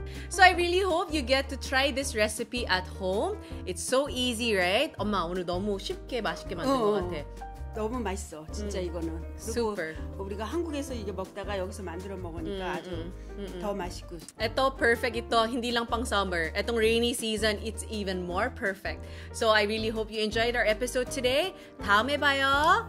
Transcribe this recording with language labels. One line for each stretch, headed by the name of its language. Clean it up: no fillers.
English: So I really hope you get to try this recipe at home. It's so easy, right?
Korean: 엄마 오늘 너무 쉽게 맛있게 만든 것 같아. 너무 맛있어, 진짜 이거는.
English: Super.
Korean: 우리가 한국에서 이게 먹다가 여기서 만들어 먹으니까 아주 더 맛있고.
English: 이거 perfect. 이거
Filipino: hindi lang pang
English: summer. 이거 rainy season, it's even more perfect. So I really hope you enjoyed our episode today.
Korean: 다음에 봐요.